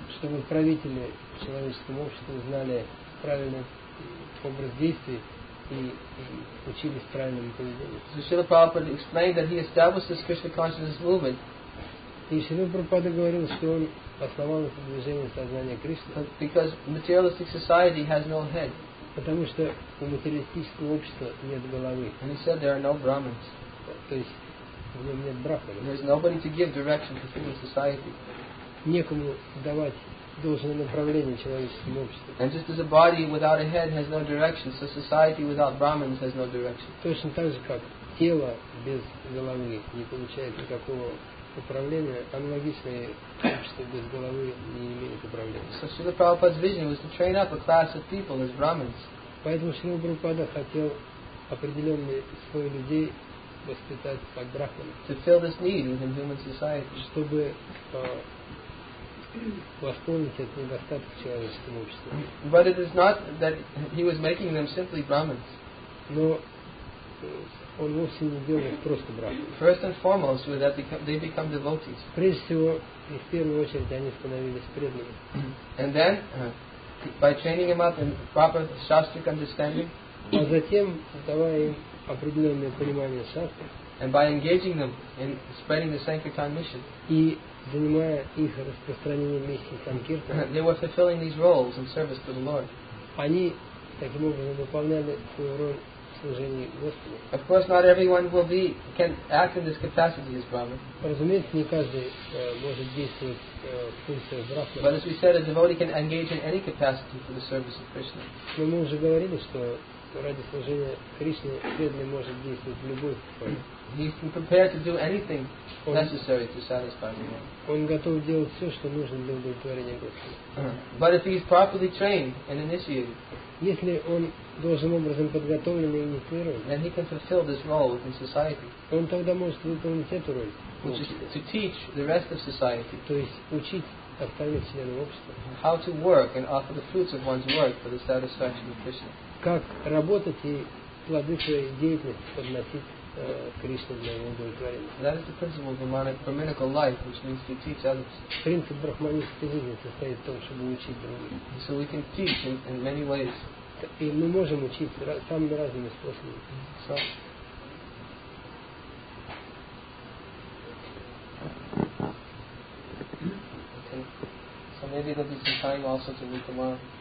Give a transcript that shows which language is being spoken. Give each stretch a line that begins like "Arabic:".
Russian: Чтобы правители в человеческом обществе знали правильный образ действий и учились правильному поведению.
English: So Srila Prabhupada explained that he established this Krishna consciousness movement.
Russian: И Шрила Прабхупада говорил, что он основал это движение сознания Кришны.
English: Because materialistic society has no head.
Russian: Потому что у материалистического общества нет головы.
English: And he said there are no Brahmins.
Russian: То есть в нем нет брахманов.
English: There is nobody to give direction to human society.
Russian: Некому давать должное направление человеческому обществу.
English: And just as a body without a head has no direction, so society without Brahmins has no direction.
Russian: Точно так же, как тело без головы не получает никакого управления, аналогичные качества без головы не имеют управления.
English: So Srila Prabhupada's vision was to train up a class of people as Brahmins.
Russian: Поэтому Шрила Прабхупада хотел определенный слой людей воспитать как брахманы.
English: To fill this need within human society.
Russian: Чтобы восполнить этот недостаток в человеческом обществе.
English: But it is not that he was making them simply Brahmins.
Russian: Но он вовсе не делал их просто брахманами.
English: First and foremost, with that they become devotees.
Russian: Прежде всего, и в первую очередь, они становились преданными.
English: And then, by training them up in proper shastric understanding.
Russian: А затем, давая им определенное понимание шастры.
English: And by engaging them in spreading the sankirtan mission.
Russian: И занимая их распространением миссии санкиртан.
English: They were fulfilling these roles in service to the Lord.
Russian: Они таким образом выполняли свою роль.
English: Of course, not everyone will be can act in this capacity as Brahman.
Russian: Разумеется, не каждый может действовать в функции брахмана.
English: But as we said, a devotee can engage in any capacity for the service of Krishna.
Russian: Но мы уже говорили, что ради служения Кришне преданный может действовать в любой форме.
English: He's prepared to do anything necessary to satisfy the Lord.
Russian: Он готов делать все, что нужно для удовлетворения Господа.
English: But if he's properly trained and initiated.
Russian: Если он должным образом подготовлен и инициирован,
English: he can fulfill this role within society.
Russian: Он тогда может выполнить эту роль.
English: Which is to teach the rest of society.
Russian: То есть учить остальных членов общества.
English: How to work and offer the fruits of one's work for the satisfaction of Krishna.
Russian: Как работать и плоды своей деятельности подносить Кришне для его удовлетворения.
English: That is the principle of brahminical life, which means to teach others.
Russian: Принцип брахманической жизни состоит в том, чтобы учить других.
English: So we can teach in many ways.
Russian: И мы можем учить самыми разными способами.
English: So. Okay. So maybe there'll be some time also to meet tomorrow.